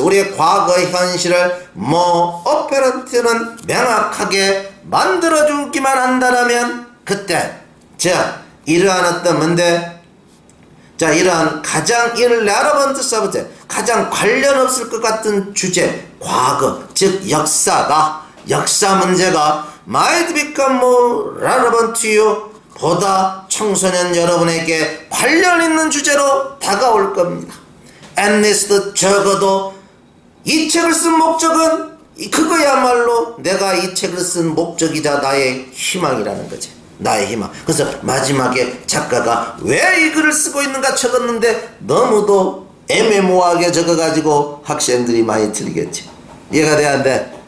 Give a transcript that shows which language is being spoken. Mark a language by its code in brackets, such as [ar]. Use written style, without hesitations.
[ko] 우리의 과거의 현실을 [en] more apparent [ko] 는 명확하게 만들어주기만 한다라면, 그때. 자, 이러한 어떤 뭔데? 자, 이러한 가장 [en] irrelevant subject. [ko] 가장 관련 없을 것 같은 주제. 과거. 즉, 역사가. 역사 문제가. [en] Might become more relevant to you. 보다 [ko] 청소년 여러분에게 관련 있는 주제로 다가올 겁니다. 앤리스트 적어도 이 책을 쓴 목적은 그거야말로 내가 이 책을 쓴 목적이자 나의 희망이라는 거지. 나의 희망. 그래서 마지막에 작가가 왜 이 글을 쓰고 있는가 적었는데 너무도 애매모호하게 적어가지고 학생들이 많이 틀리겠지. 이해가 돼 안 돼?